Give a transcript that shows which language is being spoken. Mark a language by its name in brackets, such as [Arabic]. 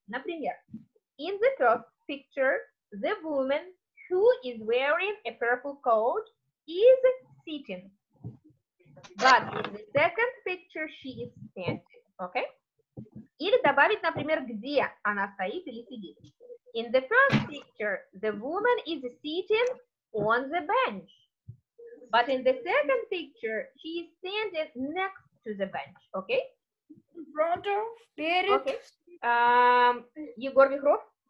[Russian] Например, [English] in the first picture, the woman who is wearing a purple coat is sitting. But in the second picture, she is standing, okay? [Russian] Или добавить, например, где она стоит или сидит. [English] In the first picture, the woman is sitting on the bench. But in the second picture, she is standing next to the bench, okay? In front of, [Russian] перед. [English] Okay. Егор Вихров?